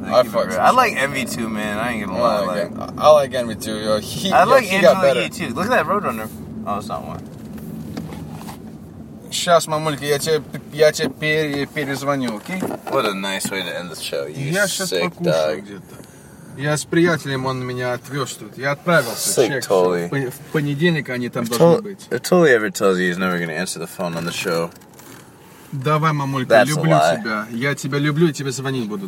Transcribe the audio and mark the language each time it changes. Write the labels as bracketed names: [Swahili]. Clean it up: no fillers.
[English] I like Envy too, man. I ain't gonna lie. I like Envy too, yo. I like Angela Yee too. Look at that Roadrunner. Oh, it's not one. [Russian] Shas mamulki, yache perezvanyu, okay? [English] What a nice way to end the show, sick dog. [Russian] Я с приятелем, он меня отвез тут. Я отправился. [English] Sick, totally. [Russian] В понедельник они там должны быть. [English] If Tully ever tells you he's never going to answer the phone on the show, [Russian] давай, мамулька, люблю тебя. Я тебя люблю, и тебе звонить буду.